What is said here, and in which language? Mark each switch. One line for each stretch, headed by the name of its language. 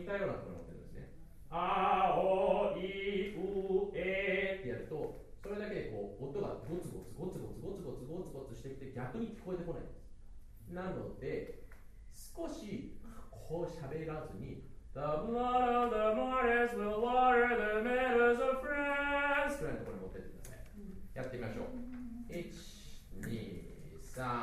Japanese: 似たようなところに持っていくんですね。あーおーいうえーってやると、それだけでこう音がゴツゴツゴツゴツゴツゴツゴツゴツしてきて逆に聞こえてこない。なので少しこう喋らずに、
English: The blood of the martyrs will water the meadows of France
Japanese: くらいのところに持ってってください。やってみましょう。1、2、3。